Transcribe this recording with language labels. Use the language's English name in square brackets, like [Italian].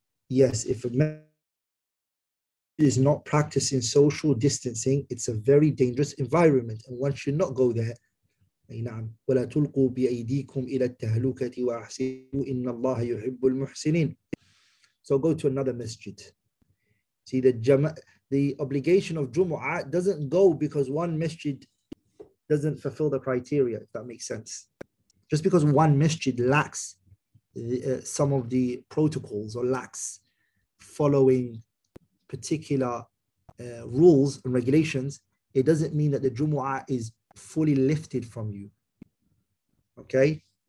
[English] Yes, if a masjid is not practicing social distancing, it's a very dangerous environment and one should not go there [Arabic] نعم ولا تلقوا بأيديكم إلى التهلكة وأحسنوا إن الله يحب المحسنين. [English] So go to another masjid. See, the obligation of Jumu'ah doesn't go because one masjid doesn't fulfill the criteria, if that makes sense. Just because one masjid lacks some of the protocols or lacks following particular rules and regulations, it doesn't mean that the Jumu'ah is fully lifted from you. Okay?